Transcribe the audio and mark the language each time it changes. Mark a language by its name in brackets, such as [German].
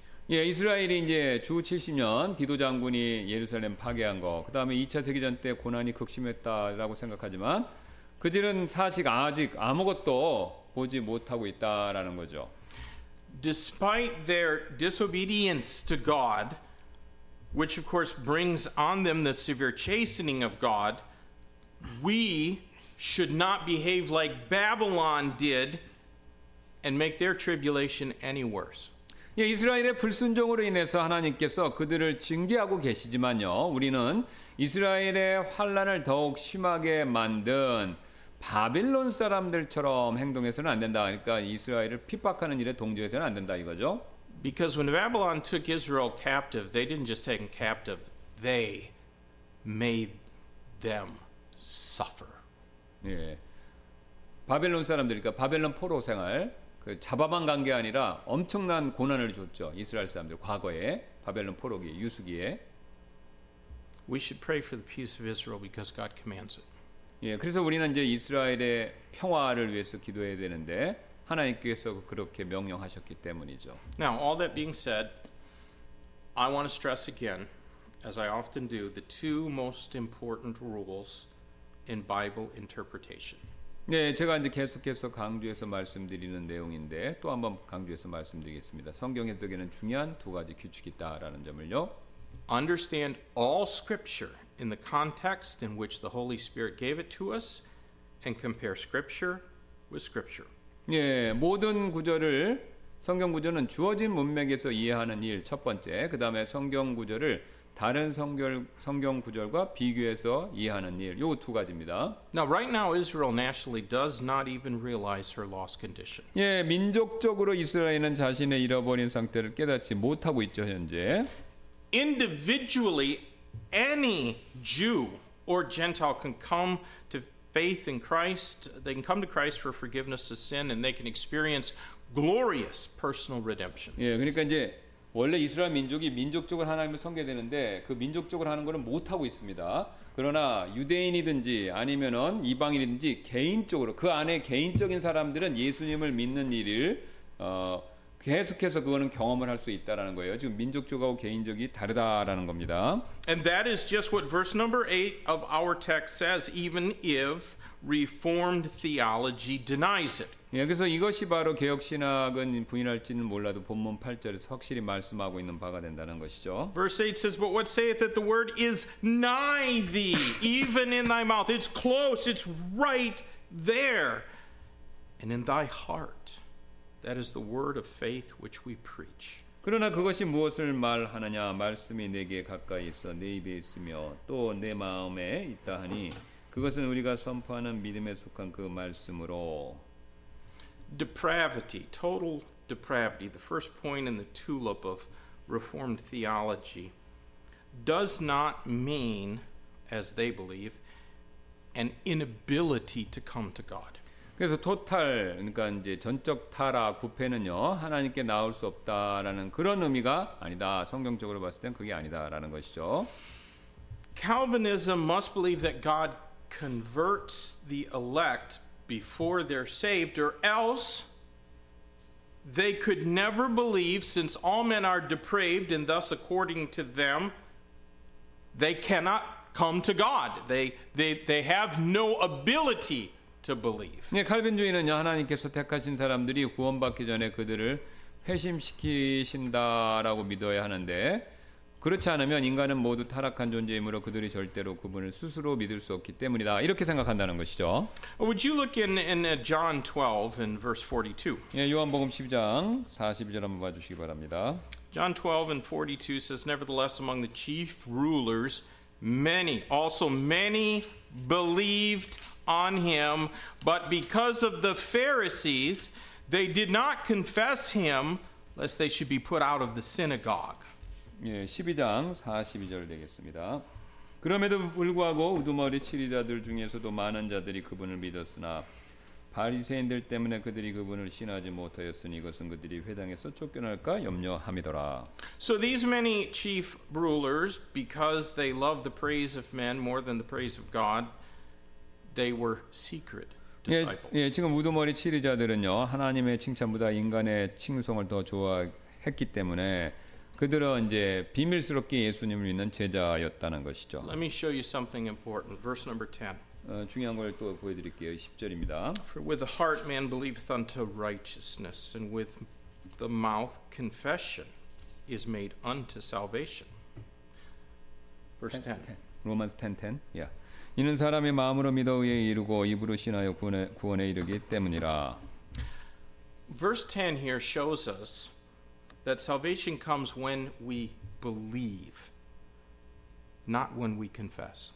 [Korean] 예, 이스라엘이 이제 주 70년 디도 장군이 예루살렘 파괴한 거, 그 다음에 2차 세계전 때 고난이 극심했다라고 생각하지만 그들은 사실 아직 아무것도 보지 못하고 있다라는 거죠. [English] Despite their disobedience to God, which of course brings on them the severe chastening of God, we should not behave like Babylon did and make their tribulation any worse. [Korean] 예, 이스라엘의 불순종으로 인해서 하나님께서 그들을 징계하고 계시지만요, 우리는 이스라엘의 환난을 더욱 심하게 만든 바빌론 사람들처럼 행동해서는 안 된다. 그러니까 이스라엘을 핍박하는 일에 동조해서는 안 된다 이거죠. [English] Because when Babylon took Israel captive, they didn't just take them captive; they made them suffer. [Korean] 예, 바빌론 사람들, 그러니까 바빌론 포로 생활. 그 잡아만 간 게 아니라 엄청난 고난을 줬죠. 이스라엘 사람들 과거에 바벨론 포로기 유수기에. [English] We should pray for the peace of Israel because God commands it. [Korean] 예, 그래서 우리는 이제 이스라엘의 평화를 위해서 기도해야 되는데 하나님께서 그렇게 명령하셨기 때문이죠. [English] Now, all that being said, I want to stress again, as I often do, the two most important rules in Bible interpretation. [Korean] 네, 제가 이제 계속해서 강조해서 말씀드리는 내용인데 또 한번 강조해서 말씀드리겠습니다. 성경 해석에는 중요한 두 가지 규칙이 있다라는 점을요. [English] Understand all scripture in the context in which the Holy Spirit gave it to us and compare scripture with scripture. [Korean] 네, 모든 구절을 성경 구절은 주어진 문맥에서 이해하는 일 첫 번째, 그다음에 성경 구절을 다른 성경 구절과 비교해서 이해하는 일, 요 두 가지입니다. [English] Now, right now, Israel nationally does not even realize her lost condition. [Korean] 예, 민족적으로 이스라엘은 자신의 잃어버린 상태를 깨닫지 못하고 있죠 현재. [English] Individually, any Jew or Gentile can come to faith in Christ. They can come to Christ for forgiveness of sin, and they can experience glorious personal redemption. [Korean] 예, 그러니까 이제. 원래 이스라엘 민족이 민족적으로 하나님을 섬겨야 되는데 그 민족적으로 하는 것은 못하고 있습니다. 그러나 유대인이든지 아니면은 이방인이든지 개인적으로 그 안에 개인적인 사람들은 예수님을 믿는 일을 계속해서 그거는 경험을 할 수 있다라는 거예요. 지금 민족적하고 개인적이 다르다라는 겁니다. [English] And that is just what verse number 8 of our text says, even if Reformed theology denies it. [Korean] 예, 그래서 이것이 바로 개혁 신학은 부인할지는 몰라도 본문 8절에 확실히 말씀하고 있는 바가 된다는 것이죠. [English] Verse 8 says, "But what saith that the word is nigh thee, even in thy mouth? It's close. It's right there, and in thy heart. That is the word of faith which we preach." [Korean] 그러나 그것이 무엇을 말하느냐? 말씀이 내게 가까이 있어 내 입에 있으며 또 내 마음에 있다하니. 그것은 우리가 선포하는 믿음에 속한 그 말씀으로. [English] Depravity, total depravity, the first point in the tulip of Reformed theology, does not mean, as they believe, an inability to come to God. [Korean] 그래서 total, 그러니까 이제 전적 타락, 부패는요 하나님께 나올 수 없다라는 그런 의미가 아니다. 성경적으로 봤을 땐 그게 아니다라는 것이죠. [English] Calvinism must believe that God converts the elect before they're saved, or else they could never believe, since all men are depraved, and thus, according to them, they cannot come to God. They have no ability to believe. [Korean] 네, 칼빈주의는요, 하나님께서 택하신 사람들이 구원받기 전에 그들을 회심시키신다라고 믿어야 하는데. 그렇지 않으면 인간은 모두 타락한 존재이므로 그들이 절대로 그분을 스스로 믿을 수 없기 때문이다. 이렇게 생각한다는 것이죠. [English] Would you look in John 12 in verse 42? [Korean] 예, 요한복음 12장 42절 한번 봐 주시기 바랍니다. [English] John 12 and 42 says, "Nevertheless, among the chief rulers, many believed on him, but because of the Pharisees, they did not confess him, lest they should be put out of the synagogue." [Korean] 예, 12장 42절 되겠습니다. 그럼에도 불구하고 우두머리 치리자들 중에서도 많은 자들이 그분을 믿었으나 바리새인들 때문에 그들이 그분을 신하지 못하였으니 이것은 그들이 회당에서 쫓겨날까 염려함이더라. [English] So these many chief rulers, because they love the praise of men more than the praise of God, they were secret disciples. [Korean] 예, 예, 지금 우두머리 치리자들은요 하나님의 칭찬보다 인간의 칭송을 더 좋아했기 때문에 그들은 이제 비밀스럽게 예수님을 믿는 제자였다는 것이죠. [English] Let me show you something important. Verse number 10. [Korean] 중요한 걸 또 보여드릴게요. 10절입니다. [English] For with the heart man believeth unto righteousness, and with the mouth confession is made unto salvation. Verse 10. [Korean] 로마서 10:10. 예. 이는 사람이 마음으로 믿어 의에 이르고 입으로 신하여 구원에 이르기 때문이라. [English] Verse 10 here shows us that salvation comes when we believe, not when we confess.